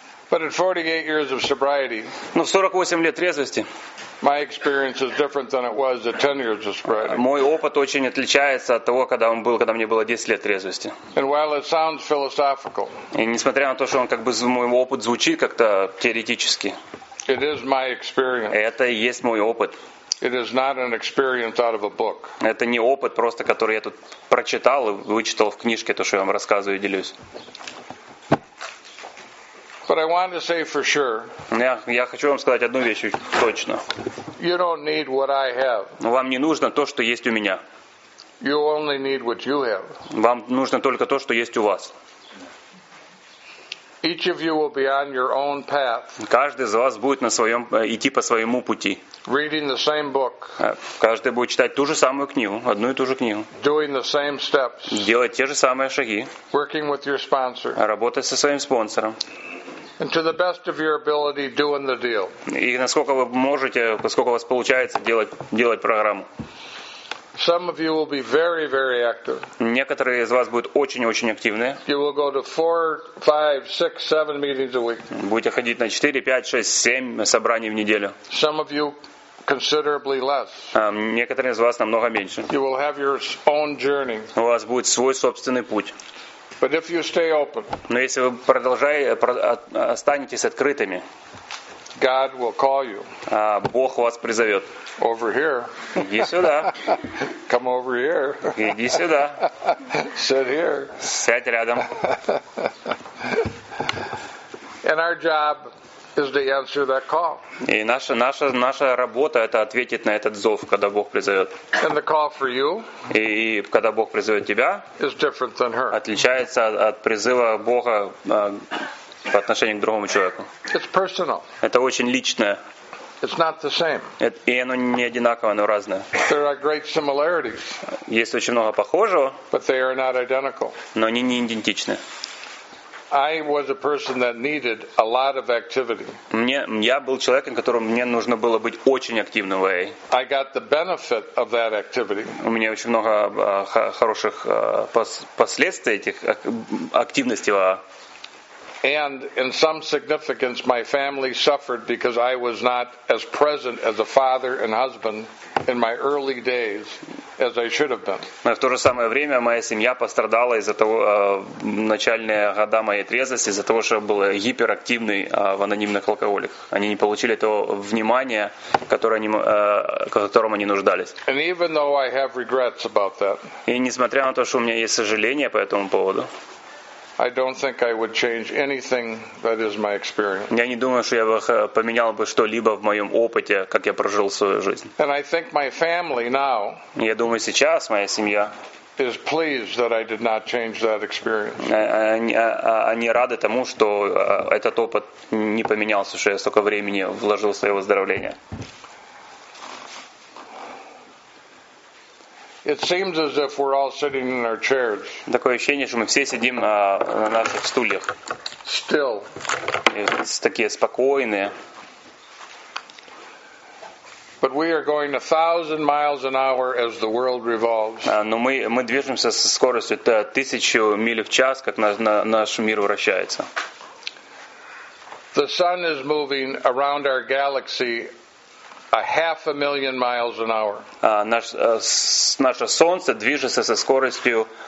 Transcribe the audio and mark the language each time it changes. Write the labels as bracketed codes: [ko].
[en] But at 48 years of sobriety, [ru] но в 48 лет трезвости, [en] my experience is different than it was at 10 years of sobriety. [ru] Мой опыт очень отличается от того, когда мне было 10 лет трезвости. [en] And while it sounds philosophical, [ru] и несмотря на то, что он как бы мой опыт звучит как-то теоретически, [en] it is my experience. [ru] Это и есть мой опыт. [en] It is not an experience out of a book. [ru] Это не опыт просто, который я тут прочитал и вычитал в книжке то, что я вам рассказываю и делюсь. [en] But I want to say for sure. [ru] Я хочу вам сказать одну вещь точно. [en] You don't need what I have. [ru] Вам не нужно то, что есть у меня. [en] You only need what you have. [ru] Вам нужно только то, что есть у вас. [en] Each of you will be on your own path. [ru] Каждый из вас будет идти по своему пути. [en] Reading the same book. [ru] Каждый будет читать ту же самую книгу, одну и ту же книгу. [en] Doing the same steps. [ru] Делать те же самые шаги. [en] Working with your sponsor. [ru] Работать со своим спонсором. [en] And to the best of your ability, doing the deal. [ru] И насколько вы можете, насколько у вас получается делать программу. [en] Some of you will be very, very active. [ru] Некоторые из вас будут очень-очень активны. [en] You will go to 4, 5, 6, 7 meetings a week. [ru] Будете ходить на 4, 5, 6, 7 собраний в неделю. [en] Some of you considerably less. [ru] Некоторые из вас намного меньше. [en] You will have your own journey. [ru] У вас будет свой собственный путь. [en] But if you stay open. [ru] Но если вы останетесь открытыми. [en] God will call you. [ru] Бог вас призовет. [en] Over here. [ru] Иди сюда. [en] Come over here. [ru] Иди сюда. [en] Sit here. [ru] Сядь рядом. [en] And our job is to answer that call. [ru] И наша работа это ответить на этот зов, когда Бог призовет. [en] And the call for you. [ru] И когда Бог призовет тебя. [en] Is different than her. [ru] Отличается от призыва Бога. По отношению к другому человеку. [en] It's personal. [ru] Это очень личное. [en] It's not the same. [ru] И оно не одинаковое, оно разное. [en] There are great similarities. [ru] Есть очень много похожего. [en] But they are not identical. [ru] Но они не идентичны. [en] I was a person that needed a lot of activity. [ru] Я был человеком, которому мне нужно было быть очень активным в AA. [en] I got the benefit of that activity. [ru] У меня очень много хороших последствий этих активности в AA. [en] And in some significance, my family suffered because I was not as present as a father and husband in my early days as I should have been. [ru] В то же самое время моя семья пострадала из-за того начальные года моей трезвости из-за того, что я был гиперактивный в анонимных алкоголиках. Они не получили того внимания, которому они нуждались. [en] And even though I have regrets about that. [ru] И несмотря на то, что у меня есть сожаления по этому поводу. [en] I don't think I would change anything that is my experience. [ru] Я не думаю, что я бы поменял бы что-либо в моем опыте, как я прожил свою жизнь. [en] And I think my family now. [ru] Я думаю, сейчас моя семья. [en] Is pleased that I did not change that experience. [ru] Они рады тому, что этот опыт не поменялся, что я столько времени вложил в свое выздоровление. [en] It seems as if we're all sitting in our chairs. [ru] Такое ощущение, что мы все сидим на наших стульях. [en] Still. [ru] Такие спокойные. [en] But we are going 1,000 miles an hour as the world revolves. [ru] Но мы движемся со скоростью 1000 миль в час, как наш мир вращается. [en] The sun is moving around our galaxy. 500,000 miles an hour. [ru] Наше солнце движется со скоростью